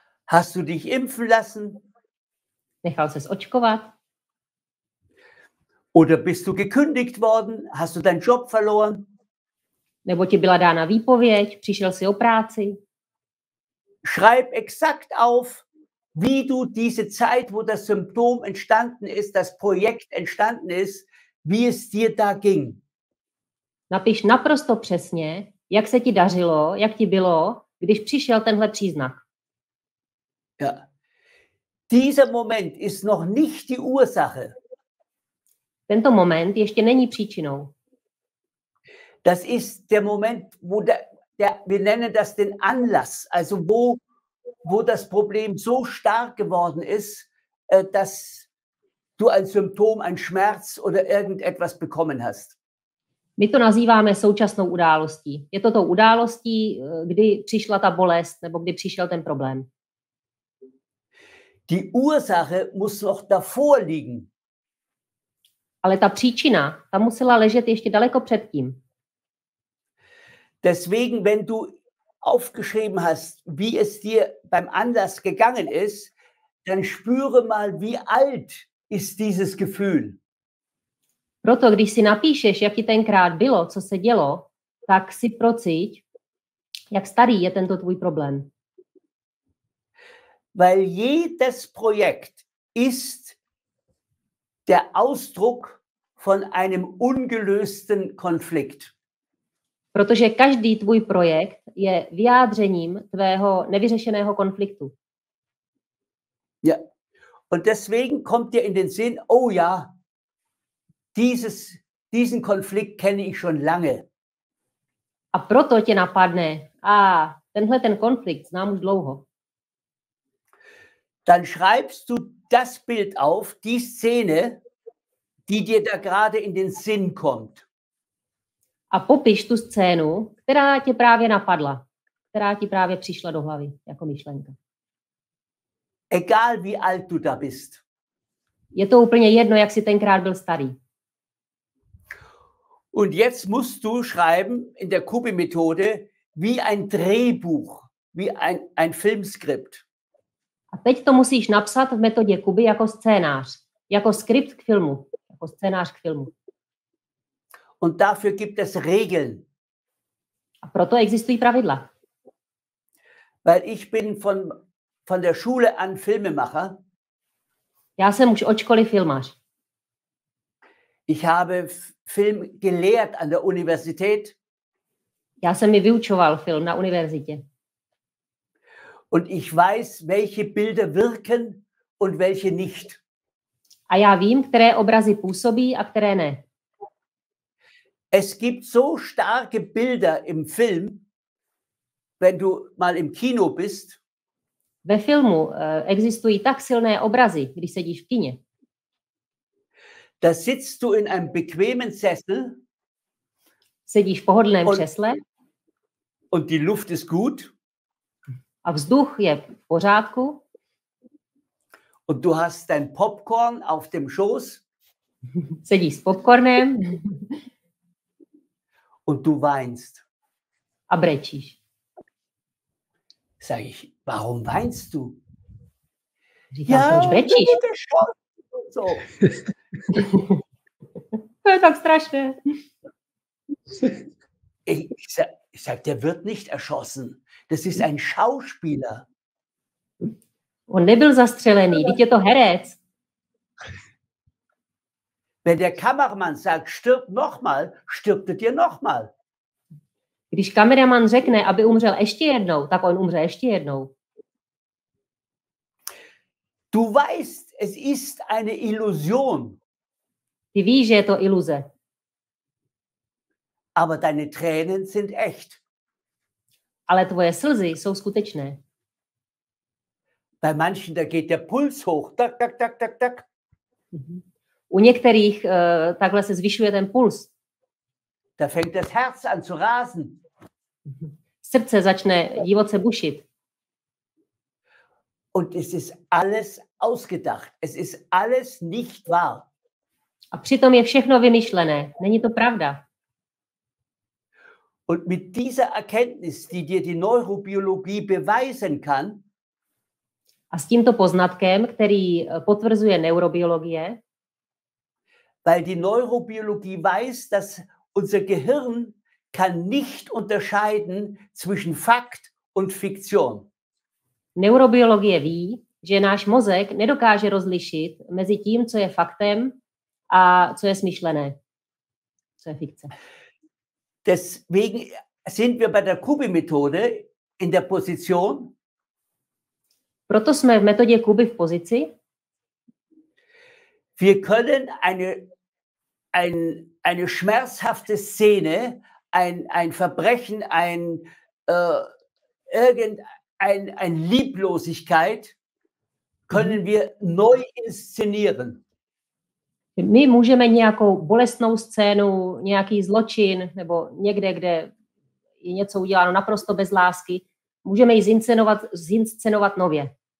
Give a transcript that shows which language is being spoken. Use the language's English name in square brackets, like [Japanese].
[German] Hast du dich impfen lassen? [Czech] Nechal ses očkovat? [German] Oder bist du gekündigt worden? Hast du deinen Job verloren? [Czech] Nebo ti byla dána výpověď, přišel si o práci? [German] Schreib exakt auf, wie du diese Zeit, wo das Symptom entstanden ist, das Projekt entstanden ist, wie es dir da ging. [Czech] Napiš naprosto přesně, jak se ti dařilo, jak ti bylo, když přišel tenhle příznak. [German] Ja. Dieser Moment ist noch nicht die Ursache. [Czech] Tento moment ještě není příčinou. [German] Das ist der Moment, wo wir nennen das den Anlass, also wo das Problem so stark geworden ist, dass du ein Symptom, ein Schmerz oder irgendetwas bekommen hast. [Czech] My to nazýváme současnou událostí. Je to tou událostí, kdy přišla ta bolest nebo kdy přišel ten problém. [German] Die Ursache muss noch davor liegen. [Czech] Ale ta příčina, ta musela ležet ještě daleko předtím. [German] Deswegen, wenn du aufgeschrieben hast, wie es dir beim Anlass gegangen ist, dann spüre mal, wie alt ist dieses Gefühl. [Czech] Proto, když si napíšeš, jak ti tenkrát bylo, co se dělo, tak si procít, jak starý je tento tvůj problém. [German] Weil jedes Projekt ist der Ausdruck von einem ungelösten Konflikt. [Czech] Protože každý tvůj projekt je vyjádřením tvého nevyřešeného konfliktu. [German] Ja. Und deswegen kommt dir in den Sinn, oh ja, diesen Konflikt kenne ich schon lange. [Czech] A proto tě napadne, tenhle ten konflikt znám už dlouho. [German] Dann schreibst du das Bild auf, die Szene, die dir da gerade in den Sinn kommt. [Czech] A popiš tu scénu, která tě právě napadla, která ti právě přišla do hlavy jako myšlenka. [German] Egal wie alt du da bist. [Czech] Je to úplně jedno, jak jsi tenkrát byl starý. [German] Und jetzt musst du schreiben in der Kubi-Methode wie ein Drehbuch, wie ein Filmskript. [Czech] A teď to musíš napsat v metodě Kuby jako scénář, jako skript k filmu, jako scénář k filmu. [German] Und dafür gibt es Regeln. [Czech] A proto existují pravidla. [German] Weil ich bin von der Schule an Filmemacher. [Czech] Já jsem už od školy filmář. [German] Ich habe Film gelehrt an der Universität. [Czech] Já jsem vyučoval film na univerzitě. [German] Und ich weiß, welche Bilder wirken und welche nicht. [Czech] A já vím, které obrazy působí a které ne. [German] Es gibt so starke Bilder im Film, wenn du mal im Kino bist. [Czech] Ve filmu existují tak silné obrazy, když sedíš v kině. [German] Da sitzt du in einem bequemen Sessel. [Czech] Sedíš v pohodlném křesle. [German] Und die Luft ist gut. [Czech] A vzduch je v pořádku. [German] Und du hast dein Popcorn auf dem Schoß. [Czech] Sedíš s popcornem. [German] Und du weinst. [Czech] A brečíš. [German] Sag ich, warum weinst du? [Czech] Říkám, ja, brečíš. [German] So. [Czech] To je tak strašné. [German] Ich sag, der wird nicht erschossen. Das ist ein Schauspieler. [Czech] On nebyl zastřelený, vždyť je to herec. [German] Wenn der Kameramann sagt, stirb nochmal, stirbt er dir nochmal. [Czech] Když kameraman řekne, aby umřel ještě jednou, tak on umře ještě jednou. [German] Du weißt, es ist eine Illusion. [Czech] Ty víš, že je to iluze. [German] Aber deine Tränen sind echt. [Czech] Ale tvoje slzy jsou skutečné. [German] Bei manchen da geht der Puls hoch. [Czech] Tak, tak, tak, tak, tak. U některých takhle se zvyšuje ten puls. [German] Da fängt das Herz an zu rasen. [Czech] Srdce začne divoce bušit. [German] Und es ist alles ausgedacht. Es ist alles nicht wahr. [Czech] A přitom je všechno vymyšlené. Není to pravda. [German] Und mit dieser Erkenntnis, die dir die Neurobiologie beweisen kann, [Czech] a s tímto poznatkem, který potvrzuje neurobiologie, [German] weil die Neurobiologie weiß, dass unser Gehirn kann nicht unterscheiden zwischen Fakt und Fiktion. [Czech] Neurobiologie ví, že náš mozek nedokáže rozlišit mezi tím, co je faktem a co je smyšlené, co je fikce. [German] Deswegen sind wir bei der Kubi-Methode in der Position. [Czech] Proto jsme v metodě Kubi v pozici. [German] Wir können eine schmerzhafte Szene, ein Verbrechen, ein Lieblosigkeit können wir neu inszenieren. [Czech] My můžeme nějakou bolestnou scénu, nějaký zločin nebo někde, kde je něco uděláno naprosto bez lásky, můžeme ji zinscenovat nově.